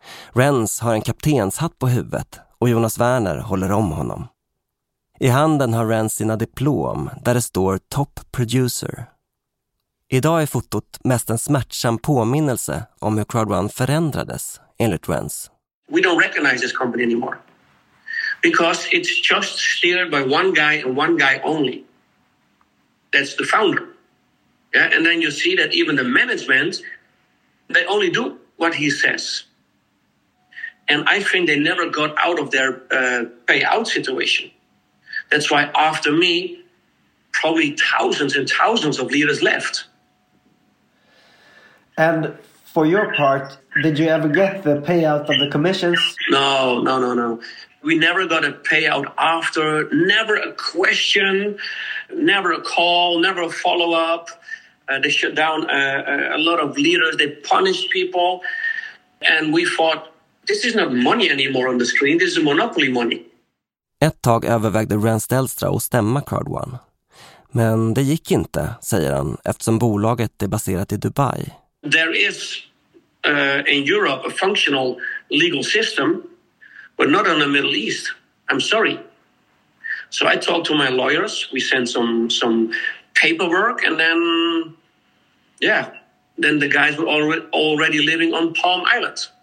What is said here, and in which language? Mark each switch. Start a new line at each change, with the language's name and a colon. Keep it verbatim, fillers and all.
Swedish: Rens har en kaptenshatt på huvudet och Jonas Werner håller om honom. I handen har Rens sina diplom där det står Top Producer. Idag är fotot mest en smärtsam påminnelse om hur Crowd One förändrades, enligt Rens.
English: We don't recognize this company anymore. Because it's just steered by one guy and one guy only. That's the founder. Yeah? And then you see that even the management, they only do what he says. And I think they never got out of their uh, payout situation. That's why after me, probably thousands and thousands of leaders left. And for your part, did you ever get the payout of the commissions? No, no, no, no. We never got a payout after, never a question, never a call, never a follow-up. Uh, they shut down uh, a lot of leaders. They punished people. And we fought. This is not money anymore on the screen, this is monopoly money.
Swedish: Ett tag övervägde Rens Delstra att stämma Crowd One. Men det gick inte, säger han, eftersom bolaget är baserat i Dubai.
English: There is uh, in Europe a functional legal system, but not in the Middle East. I'm sorry. So I talked to my lawyers, we sent some some paperwork and then yeah, then the guys were already, already living on Palm Island.